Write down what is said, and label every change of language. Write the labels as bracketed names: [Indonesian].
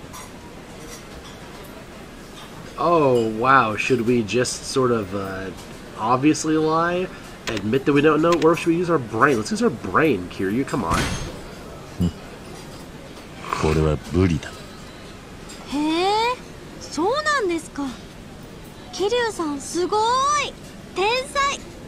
[Japanese] お寿司屋さんって難しい漢字が多くって、弱ってダメな子だな。この文字は。Oh [English] wow, should we just sort of obviously lie, admit that we don't know, or should we use our brain? Let's use our brain, Kiryu, come on. [Japanese] これは無理だ。へえ、そうなんですか。キリュウさんすごい、天才。